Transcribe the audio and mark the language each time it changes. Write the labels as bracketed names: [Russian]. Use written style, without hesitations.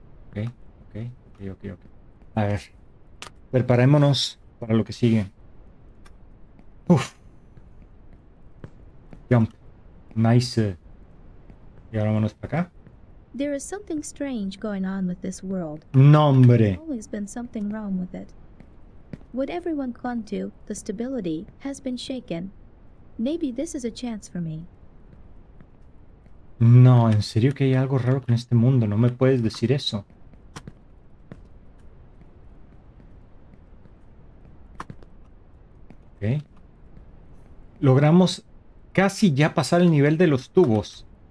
[Spanish] Ok. A ver. Preparémonos para lo que sigue. Uf. [English] Jump. Nice. [Spanish] Y ahora vámonos para acá. [English] There is something strange going on with this world. There's [Spanish] Nombre. [English] always been something wrong with it. What everyone clung to, the stability, has been shaken. Maybe this is a chance for me. [Spanish] No, en serio que hay algo raro con este mundo. No me puedes decir eso. Ok. Logramos casi ya pasar el nivel de los tubos.